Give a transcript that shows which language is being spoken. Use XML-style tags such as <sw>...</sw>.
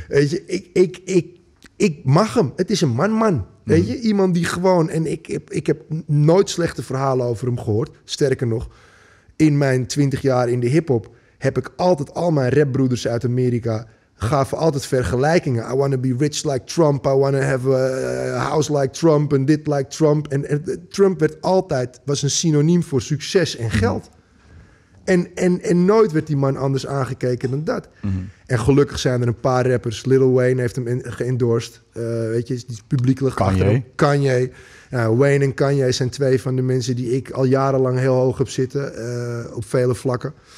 <nl>Weet je, ik mag hem. Het is een man. Mm-hmm. Weet je, iemand die gewoon... En ik heb nooit slechte verhalen over hem gehoord. Sterker nog, in mijn 20 jaar in de hiphop heb ik altijd al mijn rapbroeders uit Amerika gaven altijd vergelijkingen.</nl> <en>I want to be rich like Trump. I want to have a house like Trump. And dit like Trump.</en> <nl>En Trump werd altijd, was een synoniem voor succes en geld. Mm-hmm. En nooit werd die man anders aangekeken dan dat. Mm-hmm. En gelukkig zijn er een paar rappers. Lil Wayne heeft hem geëndorst. Weet je, die is publiekelijk Kanye. Kanye. Nou, Wayne en Kanye zijn twee van de mensen die ik al jarenlang heel hoog heb zitten. Op vele vlakken.</nl>